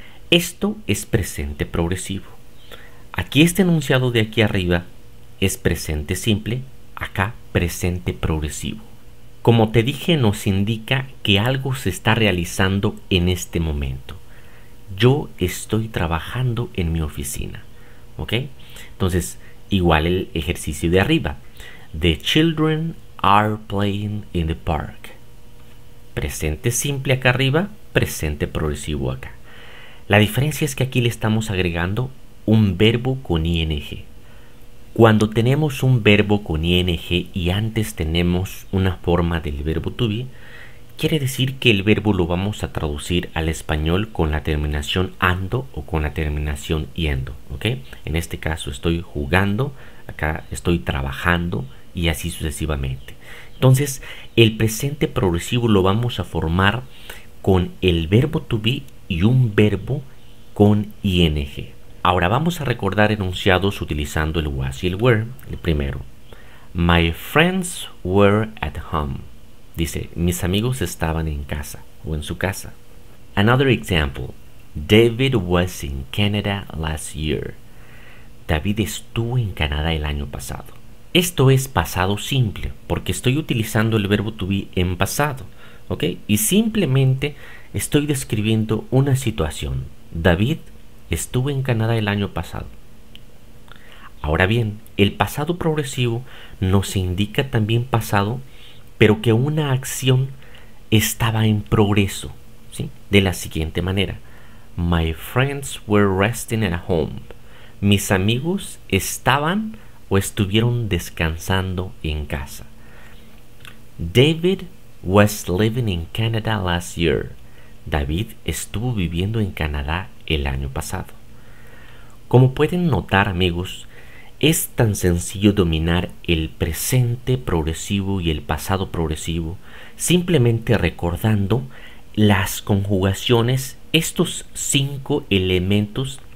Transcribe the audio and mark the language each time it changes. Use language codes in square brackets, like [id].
[es] Esto es presente progresivo. Aquí este enunciado de aquí arriba es presente simple, acá presente progresivo. Como te dije, nos indica que algo se está realizando en este momento. Yo estoy trabajando en mi oficina. ¿Ok? Entonces, igual el ejercicio de arriba. [en] The children are playing in the park. [es] Presente simple acá arriba, presente progresivo acá. La diferencia es que aquí le estamos agregando un verbo con ing. Cuando tenemos un verbo con ing y antes tenemos una forma del verbo to be, quiere decir que el verbo lo vamos a traducir al español con la terminación ando o con la terminación yendo, ¿ok? En este caso estoy jugando, acá estoy trabajando y así sucesivamente. Entonces, el presente progresivo lo vamos a formar con el verbo to be y un verbo con ing. Ahora vamos a recordar enunciados utilizando el was y el were. El primero: [en] My friends were at home. [es] Dice: mis amigos estaban en casa o en su casa. [en] Another example: David was in Canada last year. [es] David estuvo en Canadá el año pasado. Esto es pasado simple, porque estoy utilizando el verbo to be en pasado, ¿ok? Y simplemente estoy describiendo una situación. David estuvo en Canadá el año pasado. Ahora bien, el pasado progresivo nos indica también pasado, pero que una acción estaba en progreso, ¿sí? De la siguiente manera: [en] My friends were resting at home. [es] Mis amigos estaban o estuvieron descansando en casa. [en] David was living in Canada last year. [es] David estuvo viviendo en Canadá el año pasado. Como pueden notar, amigos, es tan sencillo dominar el presente progresivo y el pasado progresivo simplemente recordando las conjugaciones, estos cinco elementos.